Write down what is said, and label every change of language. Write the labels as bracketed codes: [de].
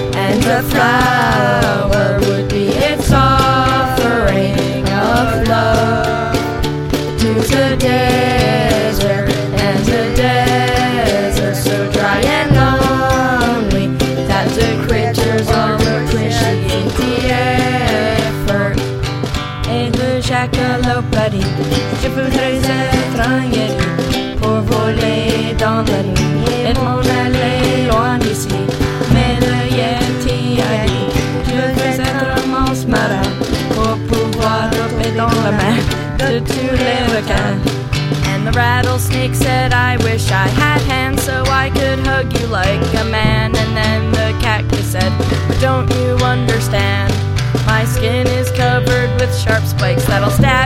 [en] And the flower would be its offering of love to the desert, and the desert so dry and lonely that the critters all appreciate the effort. [fr] Et le jackalope a dit, je voudrais être un yeti pour voler dans la nuit et m'en aller loin d'ici. Mais le yeti a dit, je veux être un monstre marin pour pouvoir roper dans la mer de tous les requins. [en] And the rattlesnake said, I wish I had hands so I could hug you like a man. And then the cactus said, but don't you understand? My skin is covered with sharp spikes that'll stab.